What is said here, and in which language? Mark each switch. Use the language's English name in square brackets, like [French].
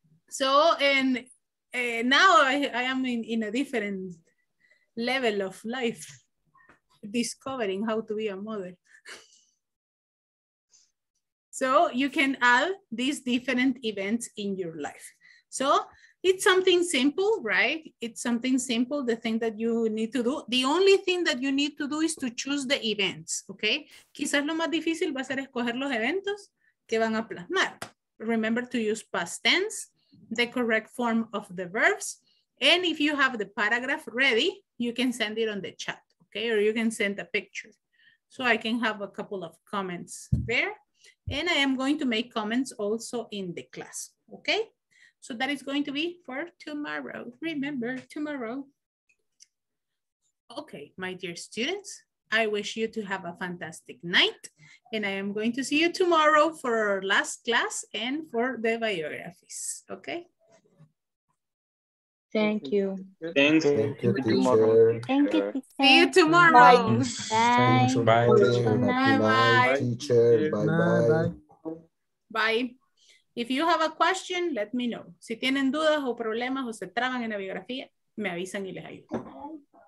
[English] So, and now I am in a different level of life, discovering how to be a mother. So you can add these different events in your life. So it's something simple, right? It's something simple, the thing that you need to do. The only thing that you need to do is to choose the events, okay? [Spanish] Quizás lo más difícil va a ser escoger los eventos que van a plasmar. [English] Remember to use past tense, the correct form of the verbs. And if you have the paragraph ready, you can send it on the chat, okay? Or you can send a picture. So I can have a couple of comments there. And I am going to make comments also in the class, okay? So that is going to be for tomorrow. Remember, tomorrow. Okay, my dear students, I wish you to have a fantastic night, and I am going to see you tomorrow for our last class and for the biographies, okay? Thank you. Thanks. Thank you, teacher. See you tomorrow. Bye. Bye. Bye. Bye. If you have a question, let me know. [Spanish] Si tienen dudas o problemas o se traban en la biografía, me avisan y les ayudo.